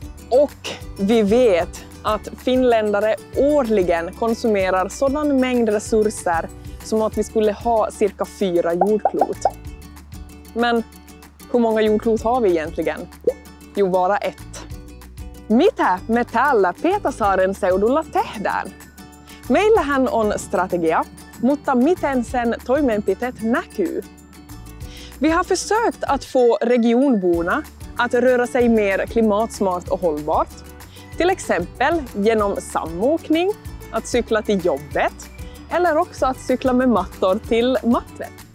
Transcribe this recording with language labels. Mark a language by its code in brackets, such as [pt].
[sv] Och vi vet att finländare årligen konsumerar sådan mängd resurser som att vi skulle ha cirka 4 jordklot. Men hur många jordklot har vi egentligen? Jo, bara 1. [fi] Mitä me täällä Pietasaaren seudulla tehdään? Meillähän on strategia, mutta miten sen toimenpiteet näkyy? [sv] Vi har försökt att få regionborna att röra sig mer klimatsmart och hållbart. Till exempel genom samåkning, att cykla till jobbet eller också att cykla med mattor till mattvätt.